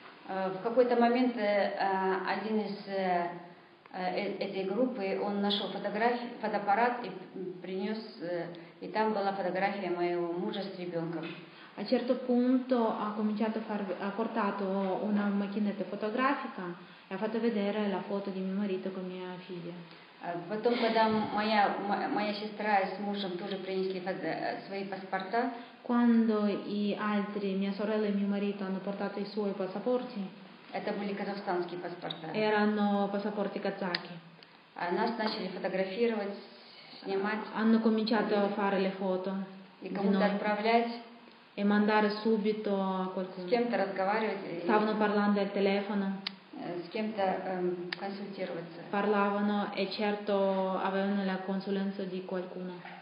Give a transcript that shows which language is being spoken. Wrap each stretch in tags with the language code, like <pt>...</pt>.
<ru>В какой-то момент один из этой группы, он нашел фотографию, фотоаппарат и принес, и там была фотография моего мужа с ребенком.</ru> <it>A certo punto ha cominciato a far, ha portato una macchinetta fotografica e ha fatto vedere la foto di mio marito con mia figlia.</it> <ru>Потом, когда моя сестра с мужем тоже принесли свои паспорта,</ru> <it>quando gli altri, mia sorella e mio marito, hanno portato i suoi passaporti,</it> <ru>это были казахстанские паспорта.</ru> <it>Erano passaporti kazaki.</it> <ru>Нас начали фотографировать, снимать.</ru> <it>Hanno cominciato a fare le foto.</it> <ru>И кому-то отправлять.</ru> <it>E mandare subito a qualcuno.</it> <ru>С кем-то разговаривать.</ru> <it>Stavano parlando al telefono.</it> <ru>С кем-то консультироваться.</ru> <it>Parlavano e certo avevano la consulenza di qualcuno.</it>